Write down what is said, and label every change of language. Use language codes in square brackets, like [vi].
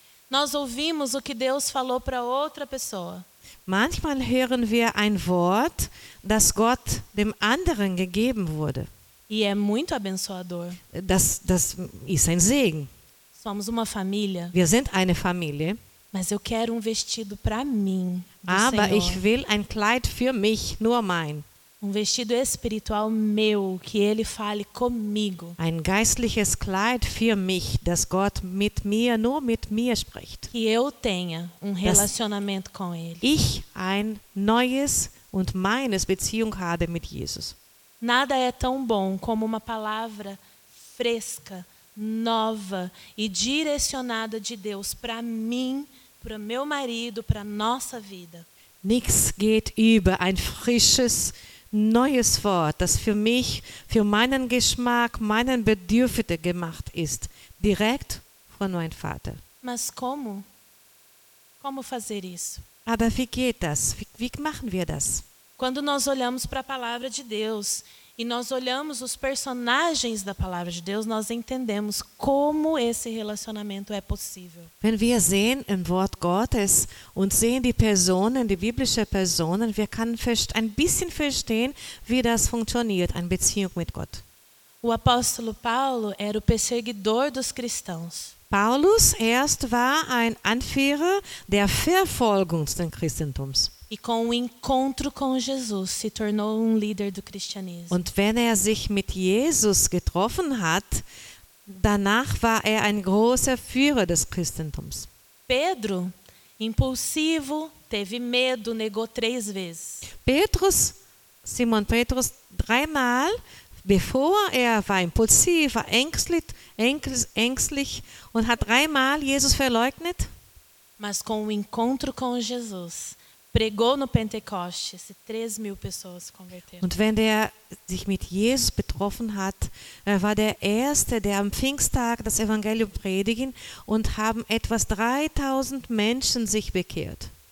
[pt] Nós ouvimos o que Deus falou para outra pessoa. [de] Manchmal hören wir ein Wort, das Gott dem anderen gegeben wurde. [pt] E é muito abençoador. [de] Das ist ein Segen. [pt] Somos uma família. [de] Wir sind eine Familie. [pt] Mas eu quero um vestido para mim. [de] Aber [pt] Senhor. [de] Ich will ein Kleid für mich, nur mein. [pt] Um vestido espiritual meu, que ele fale comigo. [de] Ein geistliches Kleid für mich, das Gott mit mir, nur mit mir spricht. [pt] Que eu tenha um relacionamento com ele. [de] Ich ein neues und meines Beziehung habe mit Jesus. [pt] Nada é tão bom como uma palavra fresca, nova e direcionada de Deus para mim, para meu marido, para nossa vida. [de] Nichts geht über ein frisches, neues Wort, das für mich, für meinen Geschmack, meinen Bedürfnisse gemacht ist, direkt von meinem Vater. [pt] Mas como? Como fazer isso? [de] Aber wie geht das? Wie machen wir das? [pt] Quando nós olhamos para a palavra de Deus, e nós olhamos os personagens da palavra de Deus, nós entendemos como esse relacionamento é possível. [de] Wenn wir sehen im Wort Gottes und sehen die Personen, die biblische Personen, wir können ein bisschen verstehen, wie das funktioniert, eine Beziehung mit Gott. [pt] O apóstolo Paulo era o perseguidor dos cristãos. [de] Paulus erst war ein Anführer der Verfolgung des Christentums. [pt] E com o encontro com Jesus se tornou líder do cristianismo. [de] Und wenn sich mit Jesus getroffen hat, danach war ein großer Führer des Christentums. [pt] Pedro, impulsivo, teve medo, negou 3 vezes. [de] Petrus, Simon Petrus, 3-mal, bevor war impulsiv, war ängstlich und hat 3-mal Jesus verleugnet. [pt] Mas com o encontro com Jesus, pregou no Pentecostes e 3.000 pessoas se converteram. [de] Und wenn sich mit Jesus betroffen hat, war der erste, der am Pfingsttag das Evangelium predigen und haben etwas 3.000 Menschen sich bekehrt.